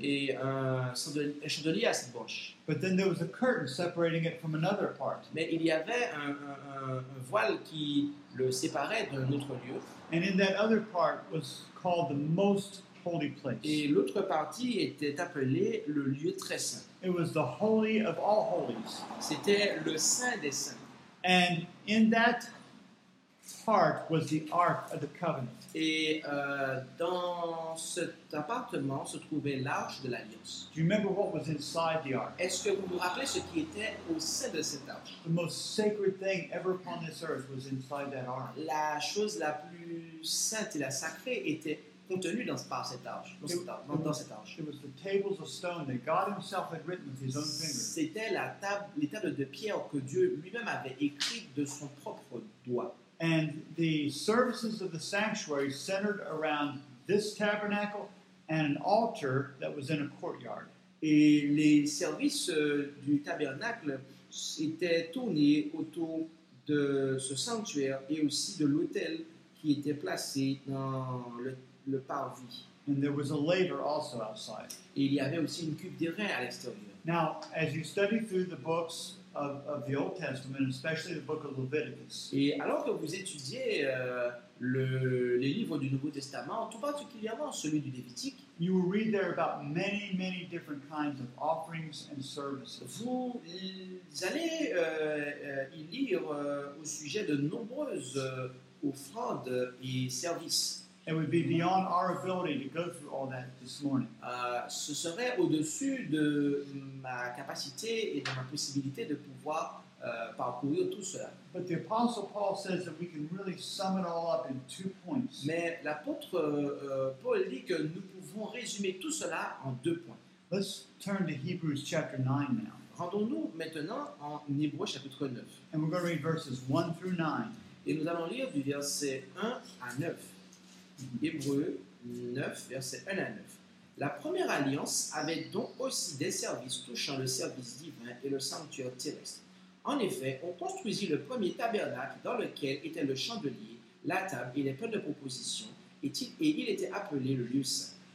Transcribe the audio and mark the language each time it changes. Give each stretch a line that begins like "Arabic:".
French: Et un chandelier à sept branches.
English: But then there was a curtain separating it from another part.
French: Mais il y avait un voile qui le séparait d'un autre lieu.
English: And in that other part was called the most holy place.
French: Et l'autre partie était appelée le lieu très saint.
English: It was the holy of all holies.
French: C'était le saint des saints.
English: And in that part was the Ark of the Covenant.
French: Et dans cet appartement se trouvait l'Arche de l'Alliance.
English: Do you remember what was inside the Ark?
French: Est-ce que vous vous rappelez ce qui était au sein de cette Arche?
English: The most sacred thing ever upon this earth was inside that Ark.
French: La chose la plus sainte et la sacrée était contenue par cette Arche, dans cette Arche.
English: It was the tables of stone that God himself had written with his own fingers.
French: C'était les tables de pierre que Dieu lui-même avait écrites de son propre doigt.
English: And the services of the sanctuary centered around this tabernacle and an altar that was in a courtyard.
French: Et les services du tabernacle étaient tournés autour de ce sanctuaire et aussi de l'autel qui était placé dans le parvis.
English: And there was a laver also outside.
French: Et il y avait aussi une cuve d'airain à l'extérieur.
English: Now, as you study through the books of the Old Testament, especially the book of Leviticus.
French: Et alors que vous étudiez les livres du Nouveau Testament, tout particulièrement celui du Lévitique,
English: you will read there about many, many different kinds of offerings and services.
French: Vous allez y lire au sujet de nombreuses offrandes et services.
English: It would be beyond our ability to go through all that this morning.
French: Ce serait au-dessus de ma capacité et de ma possibilité de pouvoir parcourir tout cela.
English: But the Apostle Paul says that we can really sum it all up in two points.
French: Mais l'apôtre Paul dit que nous pouvons résumer tout cela en deux points.
English: Let's turn to Hebrews chapter 9 now.
French: Rendons-nous maintenant en Hébreux chapitre 9.
English: And we're going to read verses 1 through 9.
French: Et nous allons lire du verset 1 à 9. Hébreux 9, versets 1 à 9. La première alliance avait donc aussi des services touchant le service divin et le sanctuaire terrestre. En effet, on construisit le premier tabernacle dans lequel était le chandelier, la table et les pains de proposition, et il était appelé le lieu saint.